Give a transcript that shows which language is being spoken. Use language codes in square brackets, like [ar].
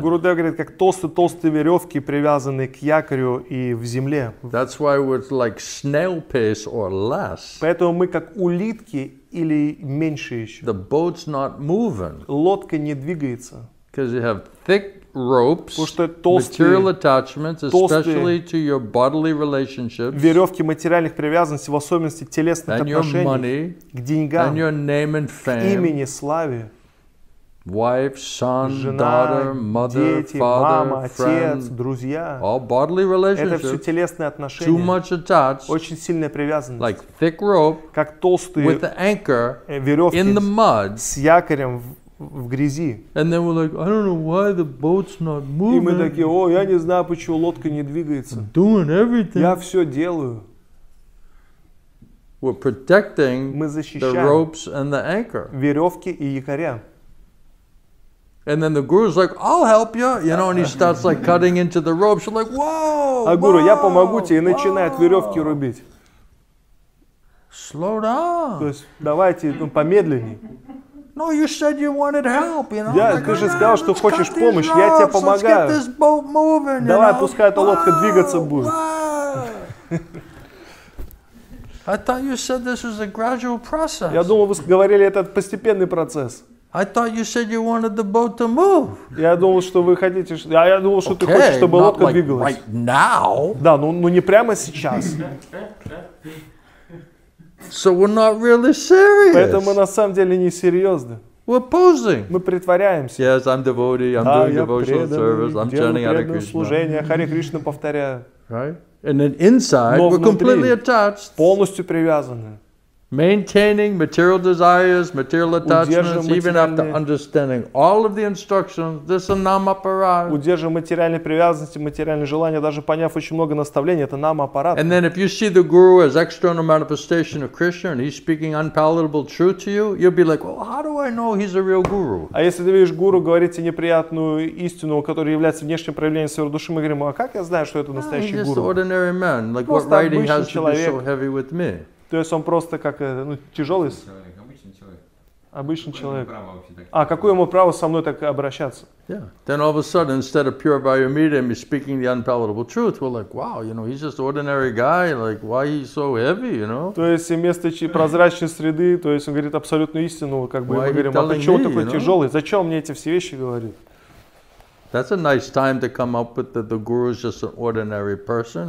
[ru] Гурудев говорит, как толстые веревки, привязанные к якорю и в земле. [en] That's why we're like snail pace or less. [ru] Поэтому мы как улитки или меньше еще. [en] The boat's not moving. [ru] Лодка не двигается. [en] Because you have thick ropes, material attachments, especially to your bodily relationships, [ru] веревки материальных привязанностей, в особенности телесных отношений, к деньгам, [en] and your name and fame, [ru] к имени, славе, [en] wife, son, daughter, mother, [ru] дети, [en] father, [ru] мама, [en] friend, [ru] отец, друзья, [en] all bodily relationships, [ru] это все телесные отношения, [en] too much attached, [ru] очень сильная привязанность, [en] like thick rope, [ru] как толстые [en] with the anchor, [ru] веревки [en] in the mud, [ru] с якорем в грязи. [en] And then we're like, I don't know why the boat's not moving. [ru] И мы такие, о, я не знаю, почему лодка не двигается. [en] Doing everything. [ru] Я все делаю. [en] We're protecting [ru] мы защищаем [en] the ropes and the anchor. [ru] Веревки и якоря. [en] And then the guru's like, I'll help you. You know, and he starts like cutting into the ropes. You're like, whoa! [ru] А гуру, я помогу тебе, и начинает веревки рубить. [en] Slow down. [ru] То есть, давайте, ну, помедленнее. [en] No, you said you wanted help, you know? Yeah, like, [ru] ты же сказал, что хочешь помощь, я тебе помогаю. [en] Let's get this boat moving, [ru] давай, [en] you know? [ru] Пускай эта лодка двигаться будет. [en] I thought you said this was a gradual process. [ru] Я думал, вы говорили, это постепенный процесс. [en] I thought you said you wanted the boat to move. [ru] Я думал, что вы хотите, а я думал, что ты хочешь, чтобы лодка двигалась. [en] Okay, not like right now. [ru] Да, ну не прямо сейчас. [en] So we're not really serious. [ru] Поэтому мы на самом деле не серьезны. [en] We're posing. [ru] Мы притворяемся. [en] Yes, I'm devotee. I'm [ru] да, [en] doing devotional service. I'm chanting Hare Krishna. [ru] Служение, Харе Кришну повторяю. [en] Right? And then inside, we're completely attached. [ru] Полностью привязаны. [en] Maintaining material desires, material attachments, even after understanding all of the instructions, this is nama-apparat. [ru] Удерживаем материальные привязанности, материальные желания, даже поняв очень много наставлений, это нама-аппарат. [en] And then if you see the guru as external manifestation of Krishna and he's speaking unpalatable truth to you, you'll be like, well, how do I know he's a real guru? [ru] А если ты видишь гуру, говорит тебе неприятную истину, которая является внешним проявлением своей души, мы говорим, а как я знаю, что это настоящий гуру? [en] He's just ordinary man. Like, what writing has to be so heavy with me? [ru] То есть он просто как тяжелый? Обычный человек. А какое ему право со мной так обращаться? [en] Yeah. Then all of a sudden, instead of pure biomedium, he's speaking the unpalatable truth. We're like, wow, you know, he's just ordinary guy. Like, why he's so heavy, you know? [ru] То есть вместо прозрачной среды, то есть он говорит абсолютную истину, как бы мы говорим, а почему такой тяжелый? Зачем мне эти все вещи говорит? [en] That's a nice time to come up with that the guru is just an ordinary person.